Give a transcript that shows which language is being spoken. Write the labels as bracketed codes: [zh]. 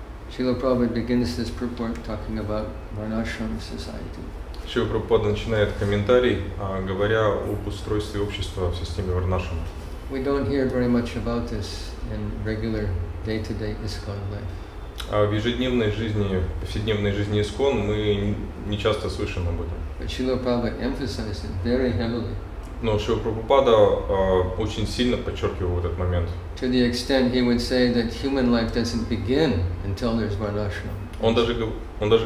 [en] Srila Prabhupada begins this purport talking about Varnashram society. [ru] Srila Prabhupada начинает комментарий, говоря об устройстве общества в системе Варнашрама. [en] We don't hear very much about this in regular day-to-day ISKCON life. [ru] В ежедневной жизни, в повседневной жизни ИСКОН мы не часто слышим об этом. Но Шрила Прабхупада очень сильно подчеркивал этот момент. Он даже